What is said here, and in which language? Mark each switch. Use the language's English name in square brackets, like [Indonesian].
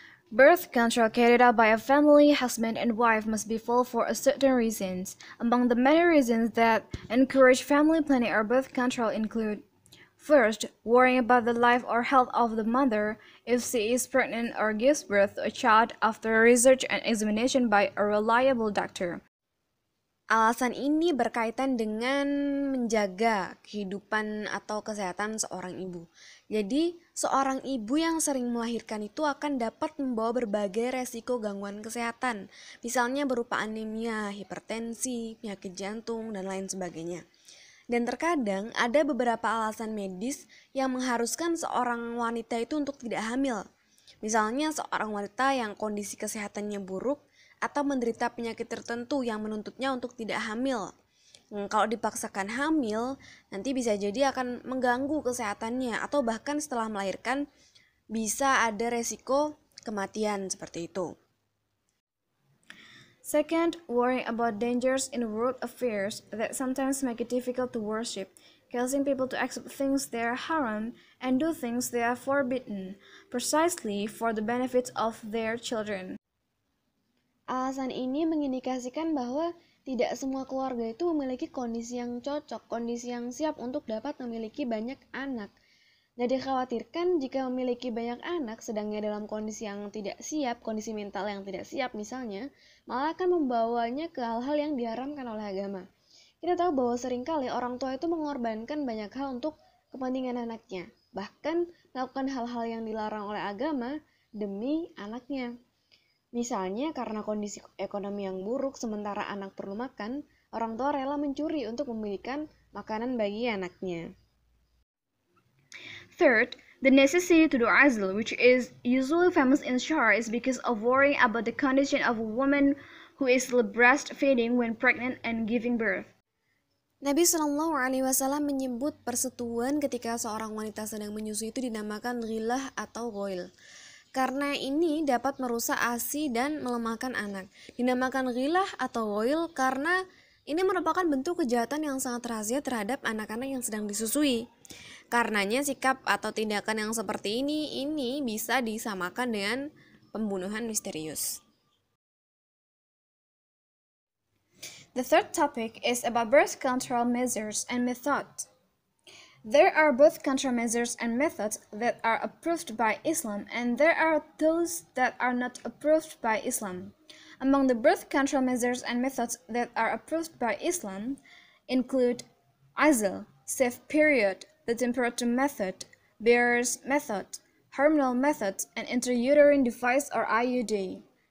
[English] Birth control carried out by a family, husband and wife must be followed for a certain reasons. Among the many reasons that encourage family planning or birth control include: first, worrying about the life or health of the mother if she is pregnant or gives birth to a child after research and examination by a reliable doctor. [Indonesian] Alasan ini berkaitan dengan menjaga kehidupan atau kesehatan seorang ibu. Jadi, seorang ibu yang sering melahirkan itu akan dapat membawa berbagai resiko gangguan kesehatan, misalnya berupa anemia, hipertensi, penyakit jantung, dan lain sebagainya. Dan terkadang ada beberapa alasan medis yang mengharuskan seorang wanita itu untuk tidak hamil. Misalnya seorang wanita yang kondisi kesehatannya buruk atau menderita penyakit tertentu yang menuntutnya untuk tidak hamil. Kalau dipaksakan hamil, nanti bisa jadi akan mengganggu kesehatannya atau bahkan setelah melahirkan bisa ada resiko kematian seperti itu. [English] Second, worrying about dangers in world affairs that sometimes make it difficult to worship, causing people to accept things that are haram and do things that are forbidden, precisely for the benefit of their children. [Indonesian] Alasan ini mengindikasikan bahwa tidak semua keluarga itu memiliki kondisi yang cocok, kondisi yang siap untuk dapat memiliki banyak anak. Jadi khawatirkan jika memiliki banyak anak sedangnya dalam kondisi yang tidak siap, kondisi mental yang tidak siap misalnya, malah akan membawanya ke hal-hal yang diharamkan oleh agama. Kita tahu bahwa seringkali orang tua itu mengorbankan banyak hal untuk kepentingan anaknya, bahkan melakukan hal-hal yang dilarang oleh agama demi anaknya. Misalnya karena kondisi ekonomi yang buruk sementara anak perlu makan, orang tua rela mencuri untuk membelikan makanan bagi anaknya. [English] Third, the necessity to do azl, which is usually famous in Shar, is because of worrying about the condition of a woman who is breastfeeding when pregnant and giving birth. [Indonesian] Nabi Shallallahu Alaihi Wasallam menyebut persetubuhan ketika seorang wanita sedang menyusui itu dinamakan ghilah atau ghoil, karena ini dapat merusak ASI dan melemahkan anak. Dinamakan ghilah atau ghoil karena ini merupakan bentuk kejahatan yang sangat rahasia terhadap anak-anak yang sedang disusui. Karenanya sikap atau tindakan yang seperti ini bisa disamakan dengan pembunuhan misterius. [English] The third topic is about birth control measures and methods. There are birth control measures and methods that are approved by Islam, and there are those that are not approved by Islam. Among the birth control measures and methods that are approved by Islam include azl, safe period, the temperature method, bearer's method, hormonal method, and intrauterine device or IUD.